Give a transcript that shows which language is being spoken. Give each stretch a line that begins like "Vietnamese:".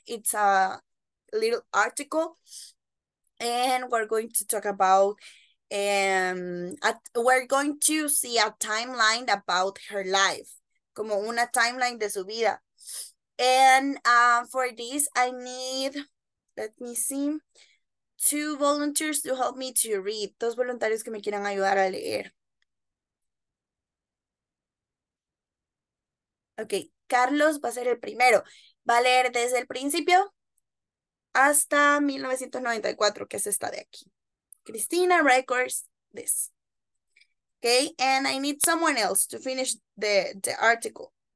English: It's a little article. And we're going to talk about we're going to see a timeline about her life,
Spanish: como una timeline de su vida.
English: And for this, I need, let me see, two volunteers to help me to read.
Spanish: Dos voluntarios que me quieran ayudar a leer. Ok, Carlos va a ser el primero. Va a leer desde el principio hasta 1994, que es esta de aquí.
English: Cristina records this. Okay, and I need someone else to finish the article.